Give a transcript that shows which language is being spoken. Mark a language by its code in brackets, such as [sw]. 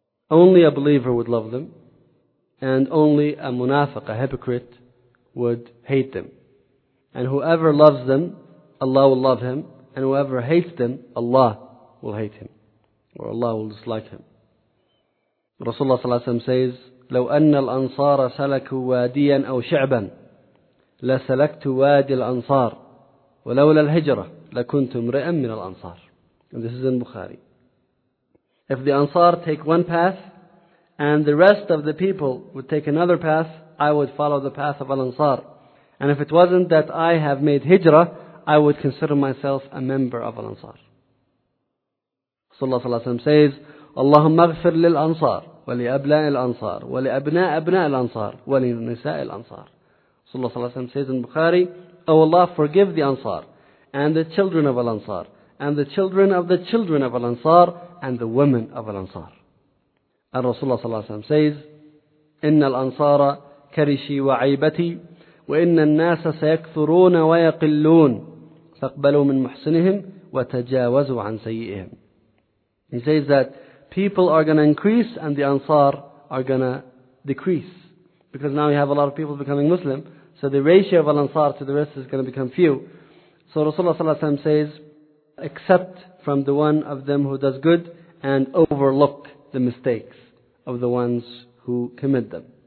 [en] Only a believer would love them, and only a munafiq, a hypocrite, would hate them. And whoever loves them, Allah will love him, and whoever hates them, Allah will hate him, or Allah will dislike him. [ar] Rasulullah صلى الله عليه وسلم says, لَوْ أَنَّ الْأَنصَارَ سَلَكُوا وَادِيًا أَوْ شِعْبًا لَسَلَكْتُ وَادِي الْأَنصَارِ وَلَوْلَا الْهِجْرَةِ لَكُنْتُمْ رِئًا مِّنَ الْأَنصَارِ. [en] And this is in Bukhari. If the Ansar take one path, and the rest of the people would take another path, I would follow the path of Al-Ansar. And if it wasn't that I have made hijrah, I would consider myself a member of Al-Ansar. [ar] Rasulullah sallallahu alayhi wa sallam says, اللهم اغفر للأنصار ولأبناء الأنصار ولأبناء أبناء الأنصار ولنساء الأنصار. [en] Rasulullah sallallahu alayhi wa sallam says in Bukhari, O Allah, forgive the Ansar, and the children of Al-Ansar, and the children of the children of Al-Ansar, and the women of Al-Ansar. [ar] And Rasulullah ﷺ says, إِنَّ الْأَنصَارَ كَرِشِي وَعَيْبَتِي وإن الناس سيكثرون ويقلون فاقبلوا من محسنهم وتجاوزوا عن سيئهم. [en] He says that people are going to increase and the Ansar are going to decrease. Because now you have a lot of people becoming Muslim, so the ratio of Al-Ansar to the rest is going to become few. So Rasulullah ﷺ says, accept from the one of them who does good and overlook the mistakes of the ones who commit them.